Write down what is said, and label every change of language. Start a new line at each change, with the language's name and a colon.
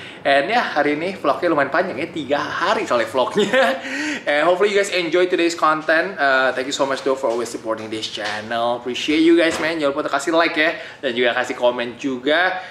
English: And yeah,
Indonesian: hari ini vlognya lumayan panjang ya, 3 hari soalnya vlognya.
English: And hopefully you guys enjoy today's content. Thank you so much though for always supporting this channel. Appreciate you guys man,
Indonesian: jangan lupa untuk kasih like ya, dan juga kasih komen juga.